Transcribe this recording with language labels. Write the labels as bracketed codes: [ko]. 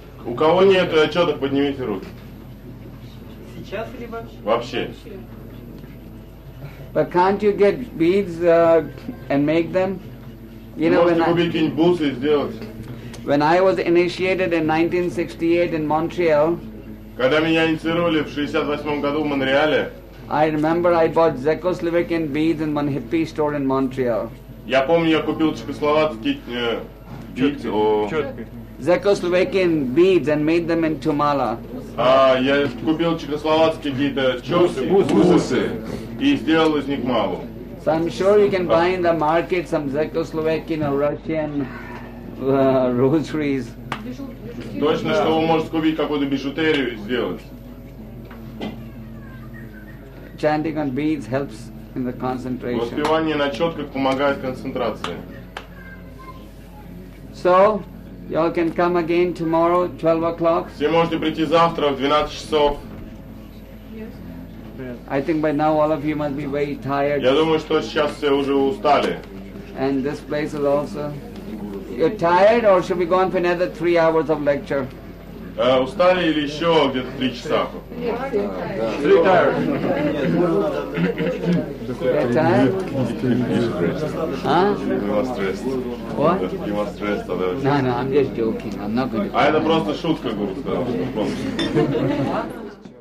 [ru] У кого нет отчеток, поднимите руки. Сейчас или вообще? Вообще. [en] But can't you get beads and make them? You know, [ru] можете купить какие-нибудь бусы и сделать. [en] When I was initiated in 1968 in Montreal, [ru] когда меня инициировали в 68 году в Монреале, [en] I remember I bought Czechoslovakian beads in one hippie store in Montreal. [ru] Я помню, я купил чехословацкие бидзи. [en] Czechoslovakian beads and made them into mala. [ru] Я купил чехословацкие какие-то бусы и сделал из них малу. [en] So I'm sure you can buy in the market some Czechoslovakian or Russian rosaries. [ru] Точно, что вы можете купить какую-то бижутерию и сделать. [en] Chanting on beads helps in the concentration. [ru] Воспевание на четках помогает концентрации. [en] So, y'all can come again tomorrow, 12 o'clock. [ru] Все можете прийти завтра в 12 часов. [en] I think by now all of you must be very tired. [ru] Я думаю, что сейчас все уже устали. [en] And this place is also... You're tired or should we go on for another 3 hours of lecture? Устали или еще где-то 3 часа? Three tired. You're tired? You are stressed. What? You are stressed. No, I'm just joking. I'm not going to... [ru] А это просто шутка, Гуру сказал.